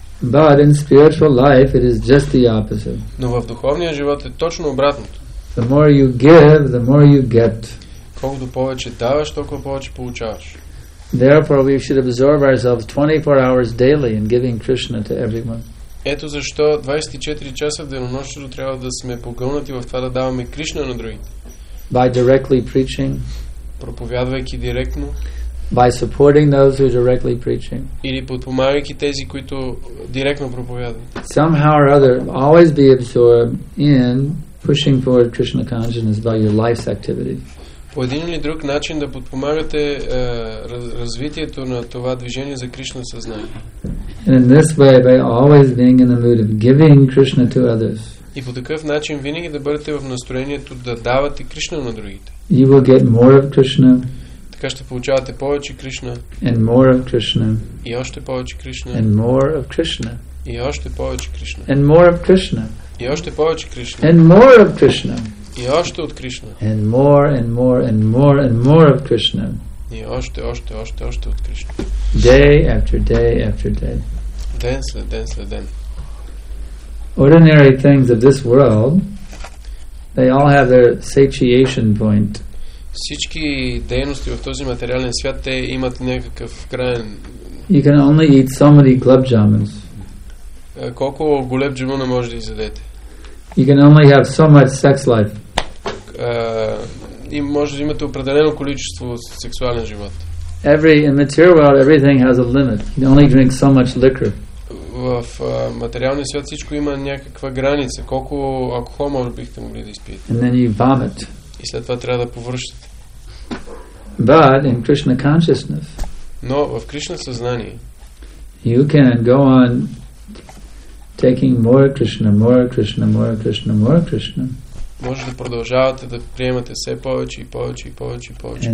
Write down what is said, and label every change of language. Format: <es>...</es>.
<en>But in spiritual life, it is just the opposite.</en> <bg>Но в духовния живот е точно обратното.</bg> <en>The more you give, the more you get.</en> <bg>Колкото повече даваш, толкова повече получаваш.</bg> <en>Therefore, we should absorb ourselves 24 hours daily in giving Krishna to everyone.</en> <bg>Ето защо 24 часа в денонощието трябва да сме погълнати в това да даваме Кришна на другите.</bg> <en>By directly preaching.</en> <bg>Проповядвайки директно.</bg> <en>By supporting those who are directly preaching.</en> <bg>Или подпомагайки тези, които директно проповядват.</bg> <en>Somehow or other, always be absorbed in pushing forward Krishna consciousness by your life's activity.</en> <bg>По един или друг начин да подпомагате развитието на това движение за Кришна съзнание.</bg> <en>And in this way, by always being in the mood of giving Krishna to others.</en> <bg>И по такъв начин винаги да бъдете в настроението да давате Кришна на другите.</bg> <en>You will get more of Krishna.</en> <bg>Така ще получавате повече Кришна.</bg> <en>And more of Krishna.</en> <bg>И още повече Кришна.</bg> <en>And more of Krishna.</en> <bg>И още повече Кришна.</bg> <en>And more of Krishna.</en> <bg>И още повече Кришна.</bg> <en>And more of Krishna.</en> <bg>И още от Кришна.</bg> <en>And more and more and more and more of Krishna.</en> <bg>И още от Кришна.</bg> <en>Day after day after day.</en> <bg>Ден след ден след ден.</bg> <en>Ordinary things of this world, they all have their satiation point.</en> <bg>Всички дейности в този материален свят, те имат някакъв краен.</bg> <en>You can only eat so many gulab jamuns.</en> <bg>Колко gulab jamuna може да изядете?</bg> <en>You can only have so much sex life.</en> <bg>И може да имате определено количество сексуален живот.</bg> <en>Every in material world, everything has a limit. You only drink so much liquor.</en> <bg>В материалния свят всичко има някаква граница. Колко алкохол може бихте могли да изпиете?</bg> <en>And then you vomit.</en> <bg>И след това трябва да повръщате.</bg> <en>But in Krishna consciousness.</en> <bg>Но в Кришна съзнание.</bg> <en>You can go on taking more Krishna, more Krishna, more Krishna, more Krishna.</en> <bg>Може да продължавате да приемате все повече и повече и повече и повече</bg>